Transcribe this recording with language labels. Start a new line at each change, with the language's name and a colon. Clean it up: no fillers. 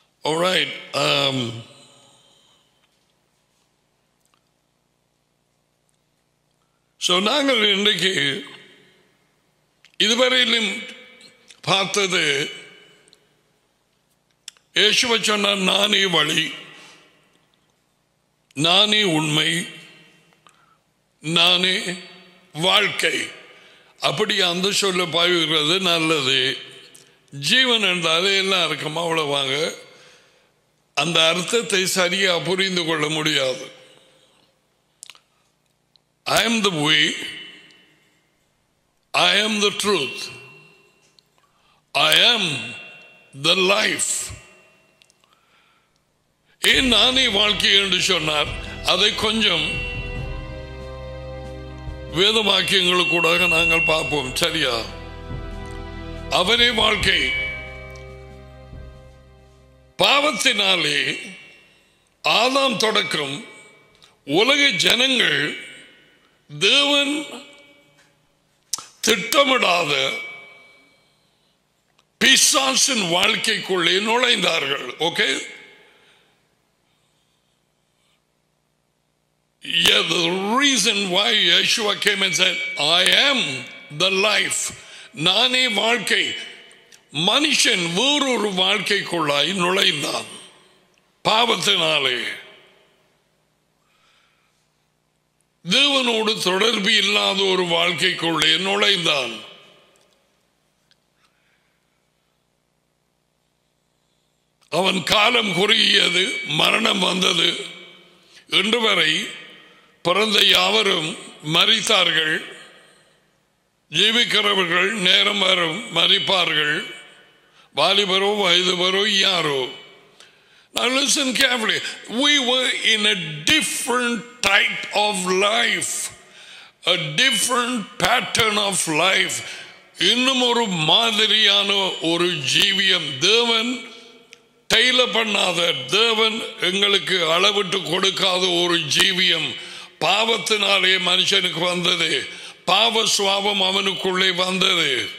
Tamil: Alright, so நாங்கள் இன்றைக்கு இதுவரையிலும் பார்த்தது, இயேசுவ சொன்ன நானே வழி, நானே உண்மை, நானே வாழ்க்கை. அப்படி அந்த சொல்ல பாய்கிறது நல்லது. ஜீவன் என்றால் எல்லாம் இருக்குமா? அவ்வளோவாங்க அந்த அர்த்தத்தை சரியா புரிந்து கொள்ள முடியாது.
English: I am the way, I am the truth, I am the life.
Tamil: ஏன் நானே வாழ்க்கை என்று சொன்னார்? அதை கொஞ்சம் வேத வாக்கியங்களுக்கு கூட நாங்கள் பார்ப்போம். சரியா? அவரே வாழ்க்கை. பாவத்தினாலே ஆதாம் தொடக்கம் உலக ஜனங்கள் தேவன் திட்டமிடாத பிசாசின் வாழ்க்கைக்குள்ளே நுழைந்தார்கள்.
English: okay, yeah, the reason why Yeshua came and said I am the life,
Tamil: நானே வாழ்க்கை, மனுஷன் வேறொரு வாழ்க்கைக்குள்ளாய் நுழைந்தான் பாவத்தினாலே. தேவனோடு தொடர்பு இல்லாத ஒரு வாழ்க்கைக்குள்ளே நுழைந்தான். அவன் காலம் குறுகியது, மரணம் வந்தது. இன்று வரை பிறந்த யாவரும் மரித்தார்கள். ஜீவிக்கிறவர்கள் நேரம் வரும் மரிப்பார்கள். வாலிபரோ வயதுபரோ யாரோ.
English: Now listen carefully. We were in a different type of life, a different pattern of life.
Tamil: இன்னும் ஒரு மாதிரியான ஒரு ஜீவியம். தேவன் தைல பண்ணாத, தேவன் எங்களுக்கு அளவிட்டு கொடுக்காத ஒரு ஜீவியம் பாவத்தினாலே மனுஷனுக்கு வந்தது. பாவ சுவாபம் அவனுக்குள்ளே வந்தது.